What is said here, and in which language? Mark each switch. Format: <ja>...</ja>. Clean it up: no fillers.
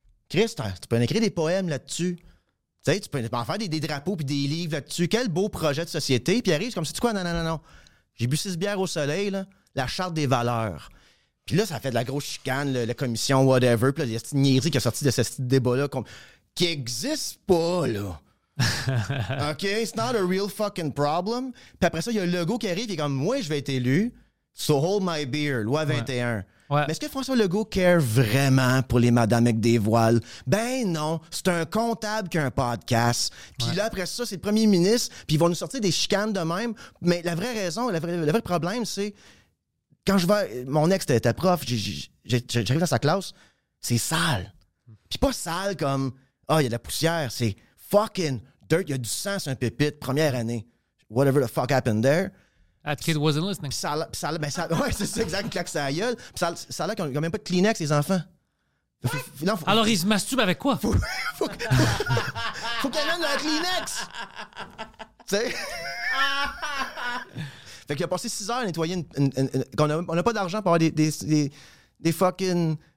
<fr>Chris, tu peux en écrire des poèmes là-dessus. Tu sais, tu peux en faire des drapeaux puis des livres là-dessus. Quel beau projet de société. Puis arrive comme, sais-tu quoi? Non. J'ai bu 6 bières au soleil, là, la charte des valeurs. Puis là, ça fait de la grosse chicane, la commission, whatever. Puis là, il y a cette niaiserie qui est sortie de ce débat-là qui n'existe pas, là.</fr> <en>OK, it's not a real fucking problem.</en> <fr>Puis après ça, il y a Legault qui arrive et comme, moi, je vais être élu.</fr> <en>So hold my beer, loi 21.</en> <fr>Ouais. Ouais. Mais est-ce que François Legault care vraiment pour les madames avec des voiles? Ben non, c'est un comptable qui a un podcast. Puis là, après ça, c'est le premier ministre. Puis ils vont nous sortir des chicanes de même. Mais la vraie raison, le vrai problème, c'est quand je vais. Mon ex était prof, j'arrive dans sa classe, c'est sale. Puis pas sale comme, ah, il y a de la poussière, c'est.</fr> <en>Fucking dirt,</en> <fr>il y a du sang sur un pépite, première année.</fr> <en>Whatever the fuck happened there. That kid wasn't listening.</en> <fr>Ouais, c'est ça, exact, il claque sa gueule. Puis ça a l'air qu'ils n'ont même pas de Kleenex, les enfants. Alors, ils se masturbent avec quoi? Faut qu'elle amène un Kleenex! Tu sais? Fait qu'il a passé 6 heures à nettoyer on n'a pas d'argent pour avoir des fucking.</fr>